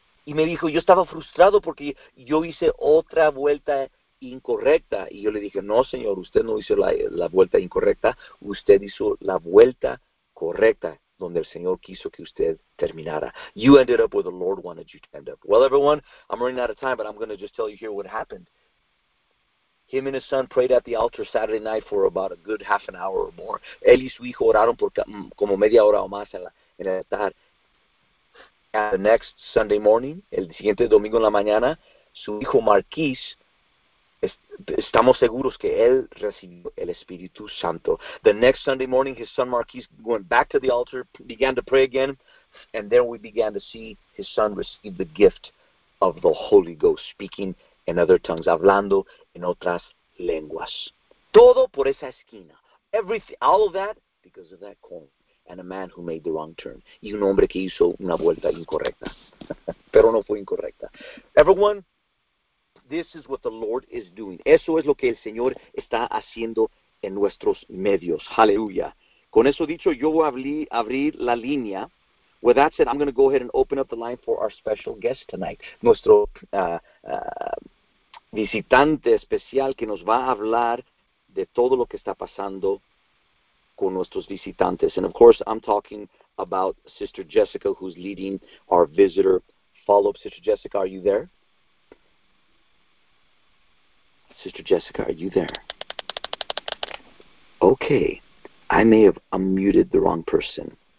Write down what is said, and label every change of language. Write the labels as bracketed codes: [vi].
[es] Y me dijo, yo estaba frustrado porque yo hice otra vuelta incorrecta. Y yo le dije, no, señor, usted no hizo la vuelta incorrecta. Usted hizo la vuelta correcta donde el Señor quiso que usted terminara. [en] You ended up where the Lord wanted you to end up. Well, everyone, I'm running out of time, but I'm going to just tell you here what happened. Him and his son prayed at the altar Saturday night for about a good half an hour or more. [es] Él y su hijo oraron por como media hora o más en el altar. [en] And the next Sunday morning, [es] el siguiente domingo en la mañana, su hijo Marquis, estamos seguros que él recibió el Espíritu Santo. [en] The next Sunday morning, his son Marquis went back to the altar, began to pray again, and there we began to see his son receive the gift of the Holy Ghost, speaking in other tongues, [es] hablando en otras lenguas. Todo por esa esquina. [en] Everything, all of that, because of that coin. And a man who made the wrong turn. [es] Y un hombre que hizo una vuelta incorrecta. Pero no fue incorrecta. [en] Everyone, this is what the Lord is doing. [es] Eso es lo que el Señor está haciendo en nuestros medios. Hallelujah. Con eso dicho, yo voy a abrir la línea. [en] With that said, I'm going to go ahead and open up the line for our special guest tonight. [es] Nuestro visitante especial que nos va a hablar de todo lo que está pasando con nuestros visitantes. [en] And of course, I'm talking about Sister Jessica, who's leading our visitor follow-up. Sister Jessica, are you there? Sister Jessica, are you there? Okay. I may have unmuted the wrong person.